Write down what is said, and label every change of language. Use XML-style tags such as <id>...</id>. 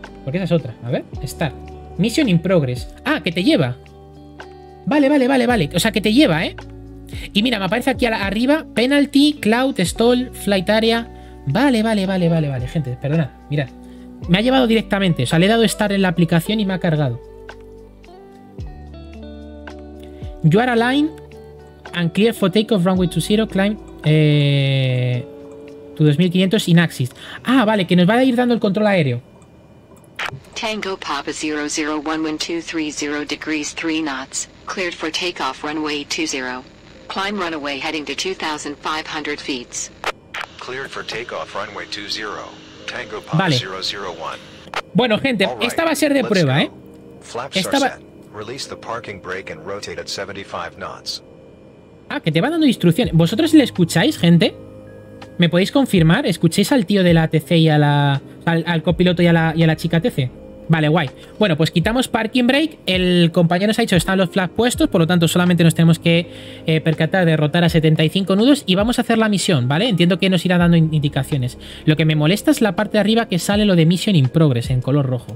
<es>Porque esa es otra. A ver, start. Mission in progress. Ah, que te lleva. Vale. O sea, que te lleva, ¿eh? Y mira, me aparece aquí arriba. Penalty, cloud, stall, flight area. Vale. Gente, perdona. Mirad. Me ha llevado directamente, o sea, le he dado start en la aplicación y me ha cargado.</es> <en>You are aligned and clear for takeoff runway 20, climb to 2500 in axis.</en> <es>Ah, vale, que nos va a ir dando el control aéreo.</es> <en>Tango Papa 001 wind 230 degrees 3 knots, cleared for takeoff runway 20. Climb runway heading to 2500 feet. Cleared for takeoff runway 20. Tango vale. 001.</en> <es>Bueno, gente, right, esta va a ser de prueba, go.</es> <en>Release the parking brake and rotate at 75 knots.</en> <es>Ah, que te va dando instrucciones. ¿Vosotros le escucháis, gente? ¿Me podéis confirmar? ¿Escuchéis al tío de la ATC y a la. Al copiloto y a la chica ATC? Vale, guay. Bueno, pues quitamos parking brake. El compañero nos ha dicho que están los flaps puestos. Por lo tanto, solamente nos tenemos que percatar de rotar a 75 nudos. Y vamos a hacer la misión, ¿vale? Entiendo que nos irá dando indicaciones. Lo que me molesta es la parte de arriba que sale lo de Mission in Progress en color rojo.</es>